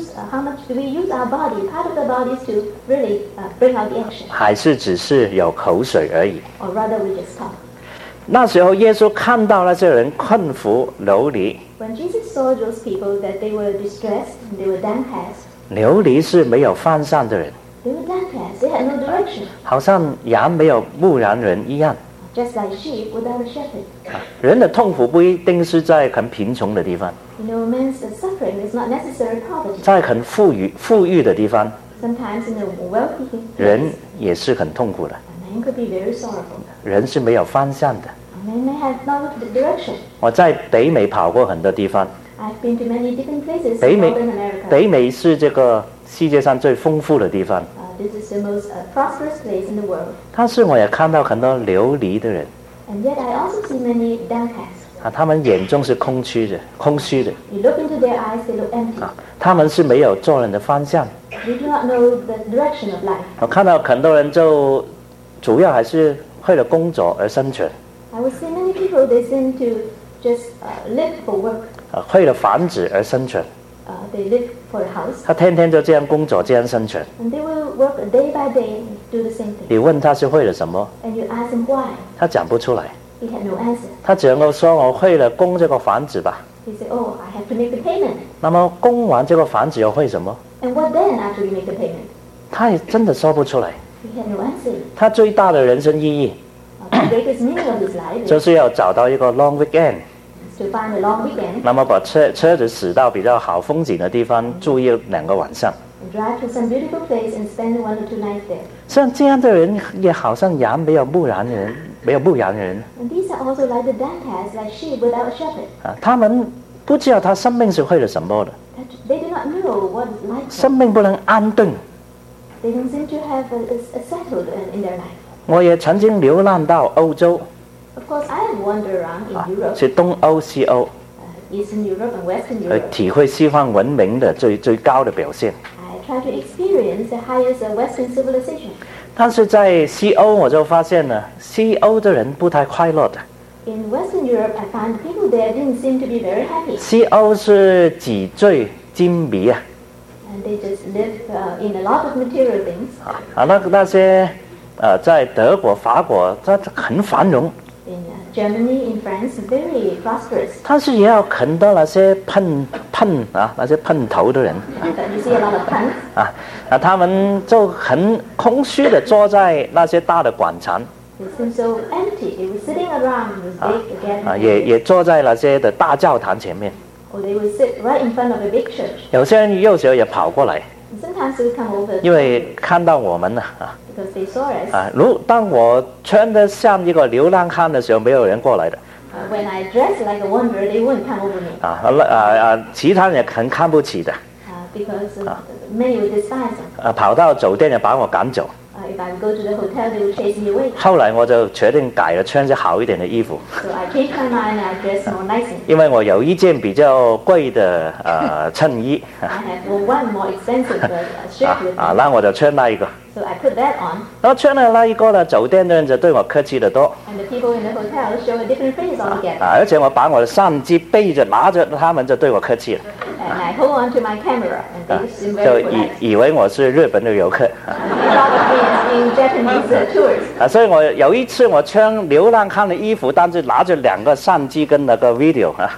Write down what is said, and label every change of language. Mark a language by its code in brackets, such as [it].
[en] How much do we use our body, part of the body, to really bring out the action? [zh] 还是只是有口水而已？ [en] Or rather, we just talk. [zh] 那时候耶稣看到那些人困苦流离。 [en] When Jesus saw those people that they were distressed, and they were downcast. [zh] 流离是没有方向的人。 [en] They were downcast. They had no direction. [zh] 好像羊没有牧羊人一样。 [en] Just like sheep without a shepherd. [zh] 人的痛苦不一定是在很贫穷的地方。 [en] You know, man's suffering is not necessary poverty. [zh] 在很富裕的地方， [en] Sometimes in a wealthy place, [zh] 人也是很痛苦的。 [en] A man could be very sorrowful. [zh] 人是没有方向的。 [en] A man may have no direction. [zh] 我在北美跑过很多地方。 [en] I've been to many different places in Northern America. [zh] 北美是这个世界上最丰富的地方。 [en] This is the most prosperous place in the world. [zh] 但是我也看到很多流离的人。 [en] And yet I also see many downcast. [zh] 他们眼中是空虚的。 [en] You look into their eyes, they look empty. [zh] 他们是没有做人的方向。 [en] They do not know the direction of life. [zh] 我看到很多人就主要还是为了工作而生存。 [en] I would see many people, they seem to just live for work. [zh] 为了房子而生存。 [en] They live for a house. [zh] 他天天就这样工作，这样生存。 [en] And they will work day by day, do the same thing. [zh] 你问他是为了什么？ [en] And you ask him why. [zh] 他讲不出来。 [en] He had no answer. [zh] 他只能够说我会了供这个房子吧。 [en] He said, oh, I have to make the payment. [zh] 那么供完这个房子又会什么？ [en] And what then after you make the payment? [zh] 他也真的说不出来。 [en] He had no answer. [zh] 他最大的人生意义 [en] greatest meaning of his life, [zh] 就是要找到一个 [en] long weekend. To find a long weekend. [zh] 那么把车子驶到比较好风景的地方住一两个晚上。 [en] Drive to some beautiful place and spend one or two nights there. [zh] 像这样的人也好像羊没有牧羊人。没有牧羊人。 [en] These are also like the downcast, like sheep without a shepherd. [zh] 他们不知道他生命是为了什么的。 [en] They do not know what is life. [zh] 生命不能安顿。 [en] They don't seem to have a settled in their life. [zh] 我也曾经流浪到欧洲。 [en] Of course, I have wandered around in Europe. [zh] 是东欧、西欧。 [en] Eastern Europe and Western Europe. [zh] 体会西方文明的最高的表现。 [en] I try to experience the highest Western civilization. [zh] 但是在西欧我就发现了西欧的人不太快乐的。 [en] In Western Europe, I found people there didn't seem to be very happy. [zh] 西欧是纸醉金迷啊。 [en] And they just live in a lot of material things. [zh] 那些在德国、法国，它很繁荣。 [en] In Germany, in France, very prosperous. [zh] 但是也要啃到那些碰头的人。 [en] You see a lot of puns. [zh] 他们就很空虚地坐在那些大的广场。 [en] It seemed so empty. They were sitting around with big gatherings. [zh] 也坐在那些的大教堂前面。 [en] Or they would sit right in front of a big church. [zh] 有些人有时候也跑过来。 [en] Sometimes they would come over. [zh] 因为看到我们了。 [en] Because they saw us. [zh] 当我穿得像一个流浪汉的时候，没有人过来的。 [en] When I dress like a wanderer, they wouldn't come over me. [zh] 其他人也很看不起的。 [en] Because many would despise them. [zh] 跑到酒店也把我赶走。 [en] If I go to the hotel, they would chase me away. [zh] 后来我就决定改了，穿些好一点的衣服。 [en] So I changed my mind and I dressed more nicely. [zh] 因为我有一件比较贵的衬衣。 [en] I have one more expensive shirt. [zh] 那我就穿那一个。 [en] So I put that on. [zh] 然后穿了那一个呢，酒店的人就对我客气得多。 [en] And the people in the hotel show a different face altogether. [zh] 而且我把我的相机背着拿着，他们就对我客气了。 [en] And I hold on to my camera, and they seem very polite. [zh] 就以为我是日本的游客。 [en] In Japanese tours. [zh] 所以我有一次我穿流浪汉的衣服，但是拿着两个相机跟那个 video.